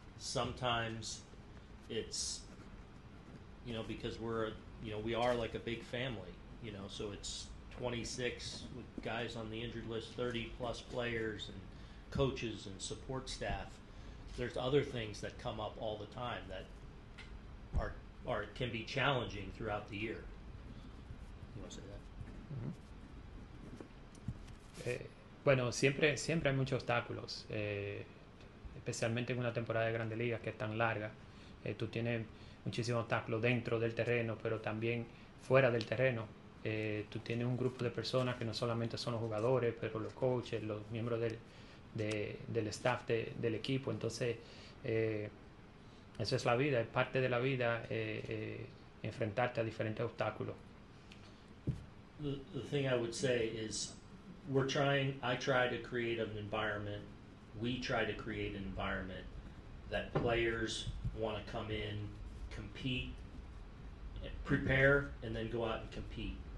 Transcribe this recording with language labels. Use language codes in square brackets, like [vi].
[en] Sometimes it's, because we are like a big family, so it's 26 with guys on the injured list, 30 plus players and coaches and support staff. There's other things that come up all the time that are can be challenging throughout the year. You want to say that? [es] Bueno, siempre hay muchos obstáculos, especialmente en una temporada de Grandes Ligas que es tan larga. Tú tienes muchísimos obstáculos dentro del terreno, pero también fuera del terreno. Tú tienes un grupo de personas que no solamente son los jugadores, pero los coaches, los miembros del staff del equipo. Entonces, eso es la vida, es parte de la vida, enfrentarte a diferentes obstáculos. [en] The thing I would say is I try to create an environment, we try to create an environment that players want to come in, compete, prepare, and then go out and compete.